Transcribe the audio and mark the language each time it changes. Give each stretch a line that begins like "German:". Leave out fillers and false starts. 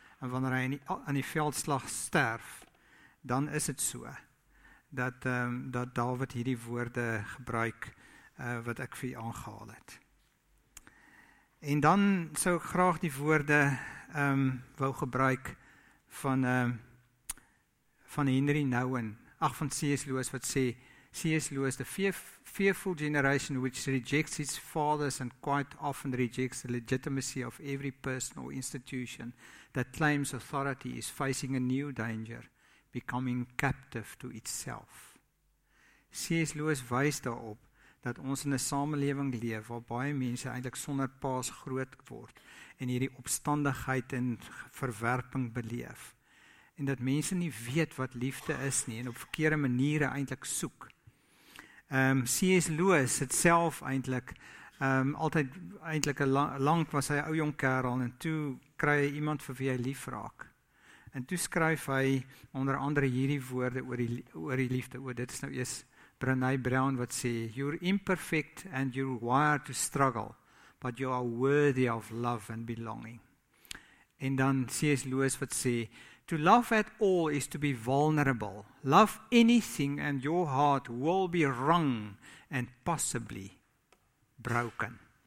Afrikaans: En wanneer hy in die veldslag sterf, dan is dit so dat Dawid hierdie woorde gebruik wat ek vir u aangehaal het. En dan sou ek graag die woorde wou gebruik van Henry Nouwen, ag van C.S. Lewis wat sê, C.S.
English: Lewis, the fearful generation which rejects its fathers and quite often rejects the legitimacy of every person or institution that claims authority is facing a new danger, becoming captive to itself.
Afrikaans: C.S. Lewis wys daarop dat ons in 'n samelewing leef waar baie mense eintlik sonder paas groot word en hierdie opstandigheid en verwerping beleef. En dat mense nie weet wat liefde is nie en op verkeerde maniere eintlik soek. C.S. Lewis het self eintlik altyd eintlik 'n lank was hy 'n ou jong kerel en toe kry hy iemand vir wie hy lief raak. En toe skryf hy onder andere hierdie woorde oor die liefde. O, dit is nou eers Brené Brown wat sê,
English: "You're imperfect and you're wired to struggle, but you are worthy of love and belonging."
Afrikaans: En dan
English: C.S. Lewis
Afrikaans: wat sê,
English: "To love at all is to be vulnerable. Love anything and your heart will be wrung and possibly broken."